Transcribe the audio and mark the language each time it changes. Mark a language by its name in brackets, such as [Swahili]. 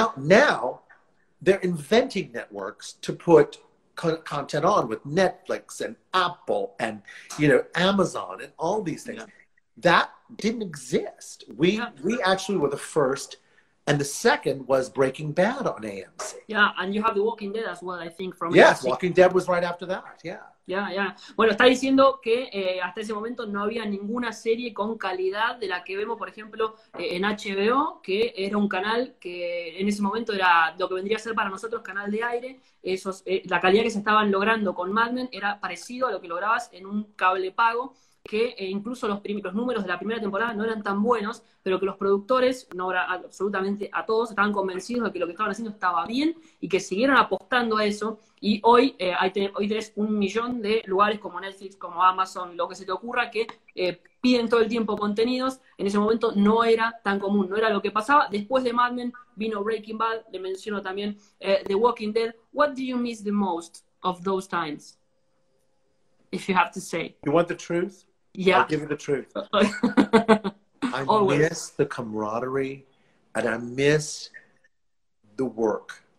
[English] Now they're inventing networks to put content on, with Netflix and Apple and, you know, Amazon and all these things. Yeah. That didn't exist. We actually were the first. And the second was Breaking Bad on AMC. Yeah, and you have The Walking Dead as well, I think. From yes, Walking Dead was right after that, yeah. Yeah, yeah. [Spanish] Bueno, está diciendo que hasta ese momento no había ninguna serie con calidad de la que vemos, por ejemplo, en HBO, que era un canal que en ese momento era lo que vendría a ser para nosotros canal de aire. La calidad que se estaban logrando con Mad Men era parecido a lo que lograbas en un cable pago, que incluso los números de la primera temporada no eran tan buenos, pero que los productores, no era absolutamente a todos, estaban convencidos de que lo que estaban haciendo estaba bien y que siguieron apostando a eso. Y hoy hoy tenés un millón de lugares como Netflix, como Amazon, lo que se te ocurra, que piden todo el tiempo contenidos. En ese momento no era tan común, no era lo que pasaba. Después de Mad Men vino Breaking Bad, le menciono también The Walking Dead. [English] What do you miss the most of those times? If you have to say. You want the truth? Yeah. I'll give you the truth. I miss the camaraderie, and I miss the work.